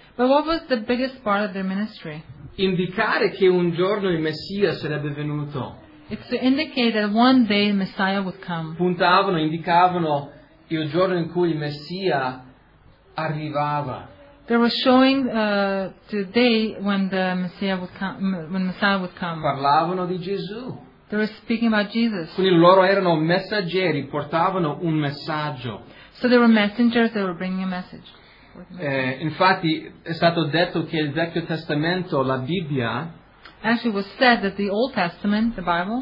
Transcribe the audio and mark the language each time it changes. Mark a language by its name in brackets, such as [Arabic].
[English] But what was the biggest part of their ministry? [Italian] Indicare che un giorno il Messia sarebbe venuto. [English] It's to indicate that one day the Messiah would come. [Italian] Puntavano, indicavano il giorno in cui il Messia arrivava. [English] They were showing the day when the Messiah would come. [Italian] Parlavano di Gesù. [English] They were speaking about Jesus. [Italian] Quindi loro erano messaggeri, portavano un messaggio. [English] So they were messengers, they were bringing a message. [Italian] Infatti è stato detto che il Vecchio Testamento, la Bibbia, [English] actually, it was said that the Old Testament, the Bible,